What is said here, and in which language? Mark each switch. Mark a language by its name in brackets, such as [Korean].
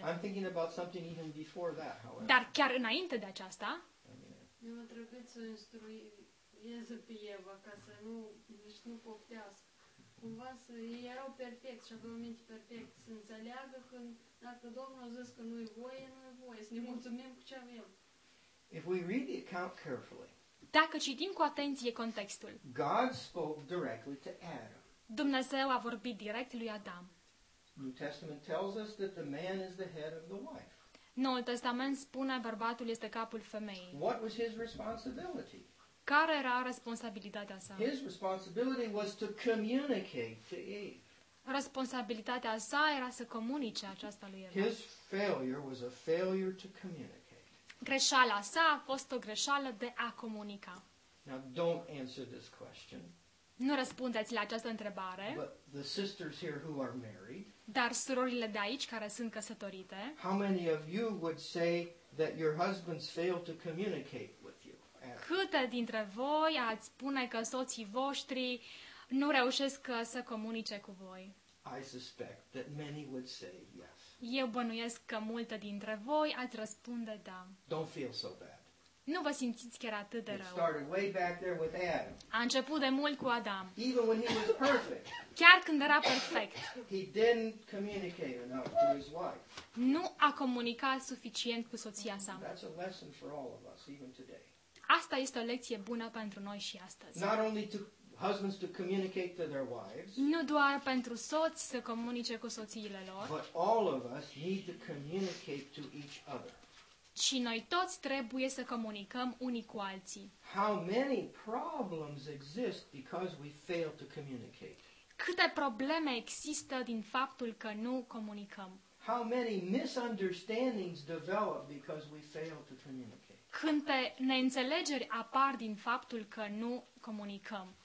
[English] I'm thinking about something even before that, however. [Romanian] Dar chiar înainte de aceasta, mi-a trebuit să instruieze pe Eva ca să nu, deci nu poftească. Cumva să, ei erau perfecți și aveau minte perfect să înțeleagă că dacă Domnul a zis că nu-i voie, nu-i voie, să ne mulțumim cu ce avem. [English] If we read the account carefully, [Romanian] dacă citim cu atenție contextul, [English] God spoke directly to Adam. [Romanian] Dumnezeu a vorbit direct lui Adam. [English] New Testament tells us that the man is the head of the wife. [Romanian] Noul Testament spune bărbatul este capul femeii. [English] What was his responsibility? [Romanian] Care era responsabilitatea sa? [English] His responsibility was to communicate to Eve. [Romanian] Responsabilitatea sa era să comunice aceasta lui Eva. [English] His failure was a failure to communicate. [Romanian] Greșeala sa a fost o greșeală de a comunica. [English] Now don't answer this question. [Romanian] Nu răspundeți la această întrebare. [English] But the sisters here who are married, [Romanian] dar surorile de aici care sunt căsătorite. [English] How many of you would say that your husbands fail to communicate with you? [Romanian] Câte dintre voi ați spune că soții voștri nu reușesc să comunice cu voi? [English] I suspect that many would say yes. [Romanian] Eu bănuiesc că multe dintre voi ați răspunde da. [English] Don't feel so bad. [Romanian] Nu vă simțiți chiar atât de rău. [English] It started way back there with Adam. [Romanian] A început de mult cu Adam. [English] Even when he was perfect, [Romanian] chiar când era perfect, [English] he didn't communicate enough to his wife. [Romanian] Nu a comunicat suficient cu soția sa. [English] That's a lesson for all of us, even today. [Romanian] Asta este o lecție bună pentru noi și astăzi. [English] Not only to husbands to communicate to their wives, [Romanian] nu doar pentru soți să comunice cu soțiile lor, [English] but all of us need to communicate to each other. [Romanian] Și noi toți trebuie să comunicăm unii cu alții. [English] How many problems exist because we fail to communicate? [Romanian] Câte probleme există din faptul că nu comunicăm? [English] How many misunderstandings develop because we fail to communicate? [Romanian] Câte neînțelegeri apar din faptul că nu comunicăm?